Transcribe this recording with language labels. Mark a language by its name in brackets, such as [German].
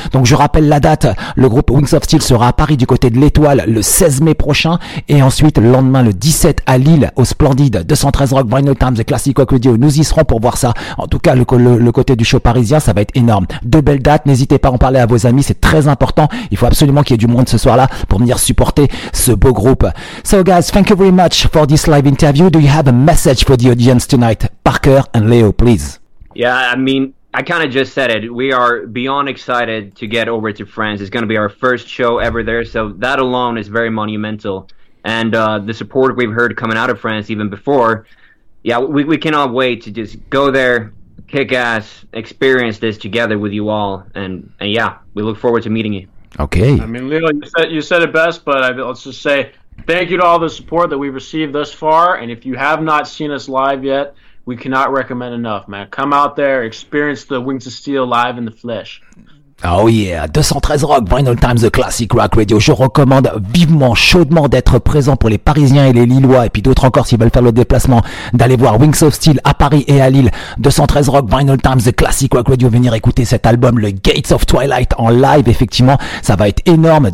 [French] Donc je rappelle la date, le groupe Wings of Steel sera à Paris du côté de l'Étoile le 16 mai prochain, et ensuite, le lendemain, le 17 à Lille, au Splendid, 213 Rock, Vinyl Times, The Classic Rock Radio, nous seront pour voir ça. En tout cas, le côté du show parisien, ça va être énorme. Deux belles dates, n'hésitez pas à en parler à vos amis, c'est très important. Il faut absolument qu'il y ait du monde ce soir-là pour venir supporter ce beau groupe. [English] So guys, thank you very much for this live interview. Do you have a message for the audience tonight? Parker and Leo, please. Yeah, I mean, I kind of just said it. We are beyond excited to get over to France. It's going to be our first show ever there, so that alone is very monumental. And the support we've heard coming out of France even before, yeah, we cannot wait to just go there, kick ass, experience this together with you all, and yeah, we look forward to meeting you. Okay. I mean, Leo, you said it best, but let's just say thank you to all the support that we've received thus far, and if you have not seen us live yet, we cannot recommend enough, man. Come out there, experience the Wings of Steel live in the flesh. Oh yeah, 213 Rock, Vinyl Times, The Classic Rock Radio. [French] Je recommande vivement, chaudement d'être présent pour les Parisiens et les Lillois et puis d'autres encore s'ils veulent faire le déplacement d'aller voir Wings of Steel à Paris et à Lille. 213 Rock, Vinyl Times, The Classic Rock Radio. Venir écouter cet album, le Gates of Twilight en live, effectivement, ça va être énorme.